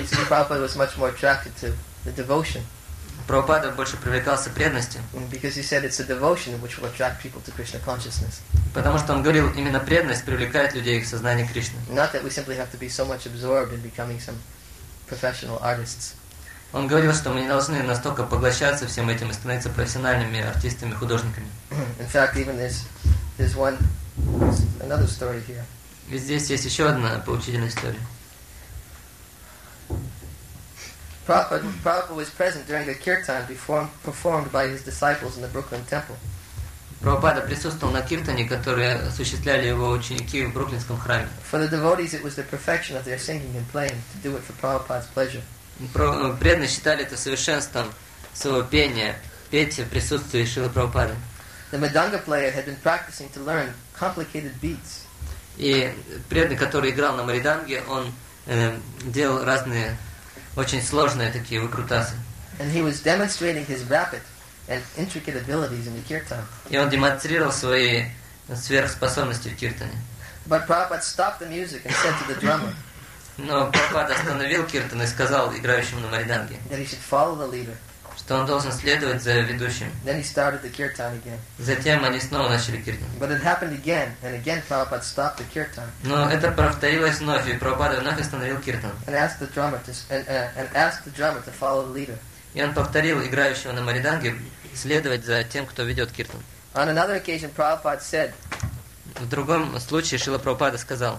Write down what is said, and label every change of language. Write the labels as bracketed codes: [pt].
[en] Prabhupada was much more attracted to the devotion. [ru] Прабхупада больше привлекался преданности. [en] Because he said it's the devotion which will attract people to Krishna consciousness. [ru] Потому что он говорил, именно преданность привлекает людей к сознанию Кришны. [en] Not that we simply have to be so much absorbed in becoming some professional artists. [ru] Он говорил, что мы не должны настолько поглощаться всем этим и становиться профессиональными артистами, художниками. [en] In fact, even there's one, there's another story here. [ru] И здесь есть еще одна поучительная история. [en] Prabhupada was present during a kirtan performed by his disciples in the Brooklyn Temple. [ru] Прабхупада присутствовал на киртане, который осуществляли его ученики в Бруклинском храме. [en] For the devotees, it was the perfection of their singing and playing to do it for Prabhupada's pleasure. [ru] Преданные считали это совершенством своего пения, петь в присутствии Шрилы Прабхупады. [en] The madanga player had been practicing to learn complicated beats. [ru] И преданный, который играл на мариданге, он делал разные очень сложные такие выкрутасы. [en] And he was demonstrating his rapid and intricate abilities in the kirtan. [ru] И он демонстрировал свои сверхспособности в киртане. [en] But Prabhupada stopped the music and said to the drummer. [ru] Но Прабхупада остановил киртан и сказал играющему на мариданге. [en] That he should follow the leader. [ru] Что он должен следовать за ведущим. [en] Then he started the kirtan again. [ru] Затем они снова начали киртан. [en] But it happened again, and again Prabhupada stopped the kirtan. [ru] Но это повторилось вновь, и Прабхупада вновь остановил киртан. [en] And asked the drummer to follow the leader. [ru] И он повторил играющего на мариданге следовать за тем, кто ведет киртан. [en] On another occasion, Prabhupada said. [ru] В другом случае Шрила Прабхупада сказал.